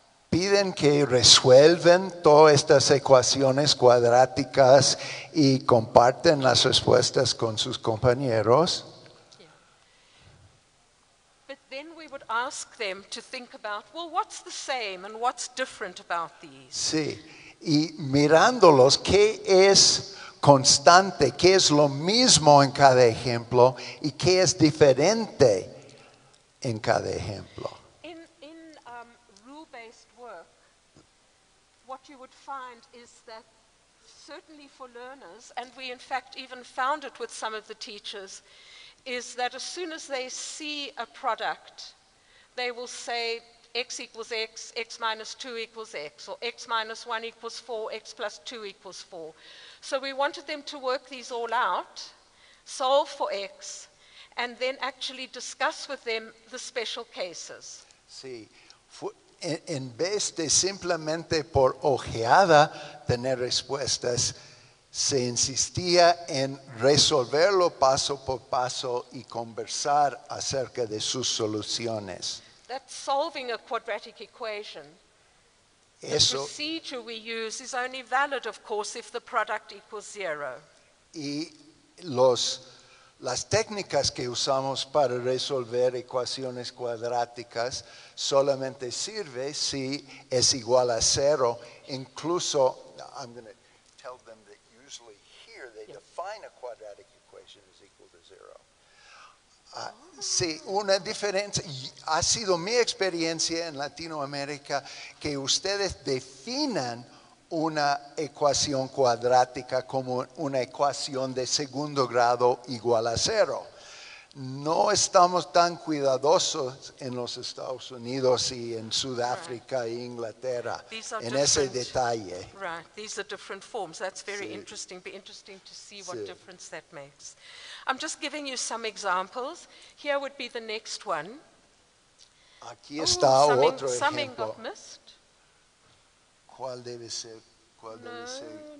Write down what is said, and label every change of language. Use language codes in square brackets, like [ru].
[es] Piden que resuelvan todas estas ecuaciones cuadráticas y comparten las respuestas con sus compañeros. [en] Ask them to think about, well, what's the same and what's different about these? [es] Sí. Y mirándolos, ¿qué es constante? ¿Qué es lo mismo en cada ejemplo? ¿Y qué es diferente en cada ejemplo? [en] In rule-based work, what you would find is that certainly for learners, and we in fact even found it with some of the teachers, is that as soon as they see a product, they will say x equals x, x minus 2 equals x, or x minus 1 equals 4, x plus 2 equals 4. So we wanted them to work these all out, solve for x, and then actually discuss with them the special cases. [es] Sí. En vez de simplemente por ojeada tener respuestas, se insistía en resolverlo paso por paso y conversar acerca de sus soluciones. [en] That's solving a quadratic equation. [es] Eso, [en] the procedure we use is only valid, of course, if the product equals zero. [es] Y las técnicas que usamos para resolver ecuaciones cuadráticas solamente sirve si es igual a cero. Incluso, [en] I'm going to tell them that usually here they define a quadratic equation as equal to zero. [es] Sí, una diferencia, ha sido mi experiencia en Latinoamérica que ustedes definan una ecuación cuadrática como una ecuación de segundo grado igual a cero. No estamos tan cuidadosos en los Estados Unidos y en Sudáfrica e Inglaterra en ese detalle. [en] Right, these are different forms. That's very interesting. Be interesting to see what difference that makes. I'm just giving you some examples. Here would be the next one. [es] Aquí está otro ejemplo. [en] Summing got missed. [es] ¿Cuál debe ser? ¿Cuál no, debe ser?